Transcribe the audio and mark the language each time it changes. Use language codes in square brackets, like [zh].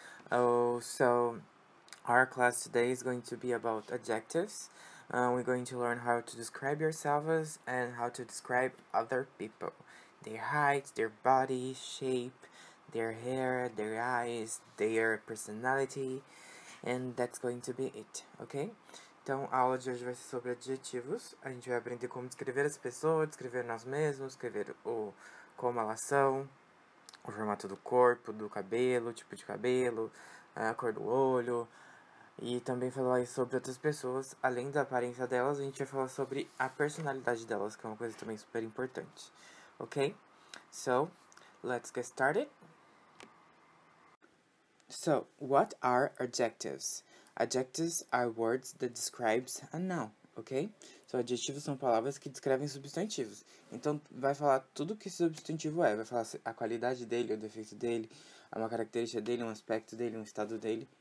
[en] So our class today is going to be about adjectives. We're going to learn how to describe yourselves and how to describe other people. Their height, their body, shape, their hair, their eyes, their personality, and that's going to be it, ok? [pt] Então, a aula de hoje vai ser sobre adjetivos. A gente vai aprender como descrever as pessoas, descrever nós mesmos, descrever como elas são, o formato do corpo, do cabelo, tipo de cabelo, a cor do olho, e também falar sobre outras pessoas. Além da aparência delas, a gente vai falar sobre a personalidade delas, que é uma coisa também super importante, ok? [en] So, let's get started. So, what are adjectives? Adjectives are words that describe a noun, ok? [pt] So, adjetivos são palavras que descrevem substantivos. Então, vai falar tudo o que esse substantivo é. Vai falar a qualidade dele, o defeito dele, uma característica dele, um aspecto dele, um estado dele.